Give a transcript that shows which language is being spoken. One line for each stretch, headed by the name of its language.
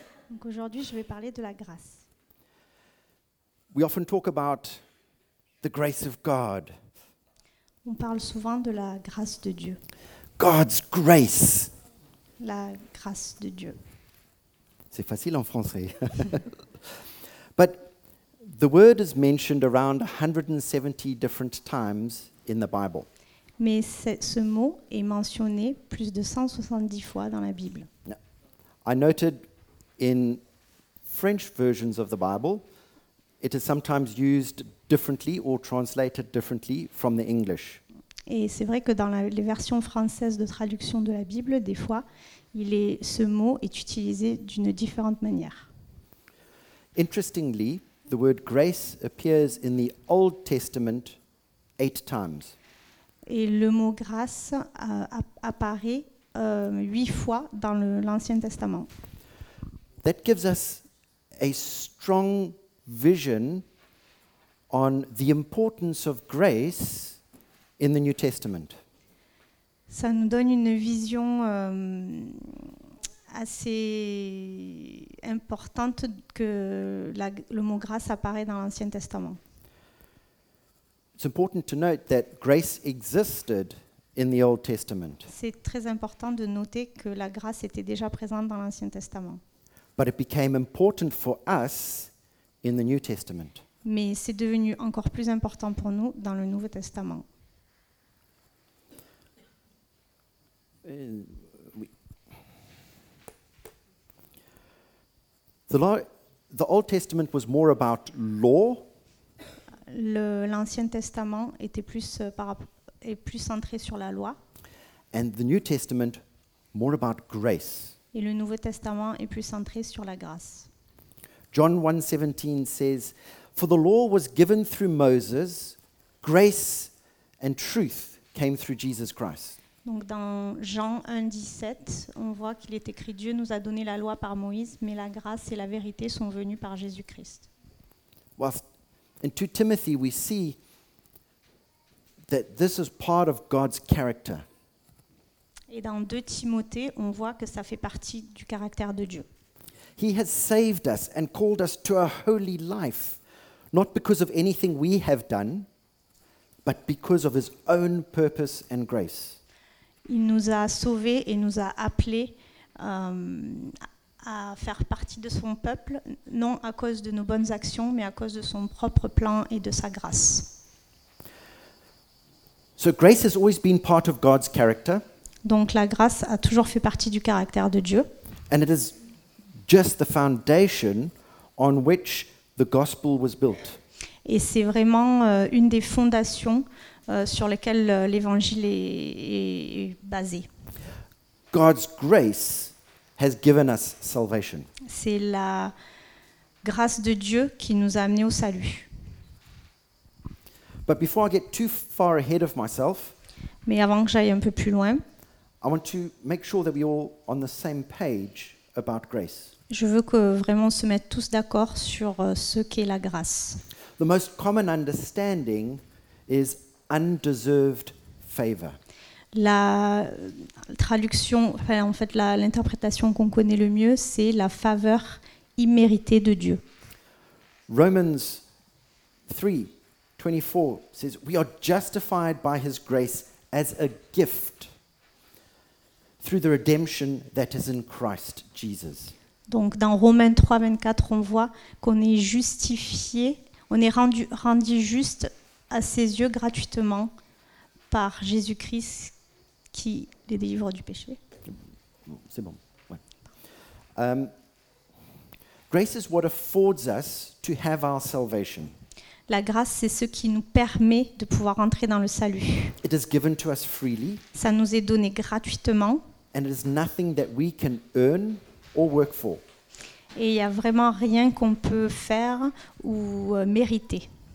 French: Donc aujourd'hui, je vais parler de la grâce.
English: We often talk about the grace of God.
French: On parle souvent de la grâce de Dieu.
English: God's grace.
French: La grâce de Dieu. C'est facile en français.
English: But the word is mentioned around 170 different times in the Bible.
French: Mais ce mot est mentionné plus de 170 fois dans la Bible.
English: I noted in French versions of the Bible, it is sometimes used differently or translated differently from the English.
French: Et c'est vrai que dans les versions françaises de traduction de la Bible, des fois, ce mot est utilisé d'une différente manière.
English: Interestingly, the word grace appears in the Old Testament 8 times.
French: Et le mot grâce apparaît 8 fois dans l'Ancien Testament.
English: That gives us a strong vision on the importance of grace in the New Testament.
French: Ça nous donne une vision assez importante que le mot grâce apparaît dans l'Ancien Testament.
English: It's important to note that grace existed in the Old Testament.
French: C'est très important de noter que la grâce était déjà présente dans l'Ancien Testament.
English: But it became important for us in the New Testament.
French: Mais c'est devenu encore plus important pour nous dans le Nouveau Testament.
English: The Old Testament was more about law.
French: L'Ancien Testament était est plus centré sur la loi.
English: And the New Testament more about grace.
French: Et le Nouveau Testament est plus centré sur la grâce.
English: John 1:17 says, "For the law was given through Moses, grace and truth came through Jesus Christ."
French: Donc dans Jean 1:17, on voit qu'il est écrit: Dieu nous a donné la loi par Moïse, mais la grâce et la vérité sont venues par Jésus-Christ.
English: In 2 Timothy, we see that this is part of God's character.
French: Et dans 2 Timothée, on voit que ça fait partie du caractère de Dieu.
English: He has saved us and called us to a holy life, not because of anything we have done, but because of his own purpose and grace.
French: Il nous a sauvés et nous a appelés à faire partie de son peuple, non à cause de nos bonnes actions, mais à cause de son propre plan et de sa grâce.
English: So grace has always been part of God's character.
French: Donc la grâce a toujours fait partie du caractère de Dieu.
English: And it is just the foundation on which the gospel was built.
French: Et c'est vraiment une des fondations sur lesquelles l'évangile est basé.
English: God's grace has given us salvation.
French: C'est la grâce de Dieu qui nous a amenés au salut.
English: But before I get too far ahead of myself,
French: Mais avant que j'aille un peu plus loin,
English: I want to make sure that we're all on the same page about grace.
French: je veux que vraiment on se mette tous d'accord sur ce qu'est la grâce.
English: The most common understanding is undeserved favor.
French: L'interprétation qu'on connaît le mieux, c'est la faveur imméritée de Dieu.
English: Romans 3, 24 says, "We are justified by his grace as a gift through the redemption that is in Christ Jesus.
French: Donc dans Romains 3, 24, on voit qu'on est justifié, on est rendu juste à ses yeux gratuitement par Jésus-Christ qui les délivre du péché. C'est bon. Ouais.
English: Grace is what affords us to have our salvation.
French: La grâce, c'est ce qui nous permet de pouvoir entrer dans le salut.
English: It is given to us freely.
French: Ça nous est donné gratuitement.
English: And it is nothing that we can earn or work for.
French: Et il n'y a vraiment rien qu'on peut faire ou mériter.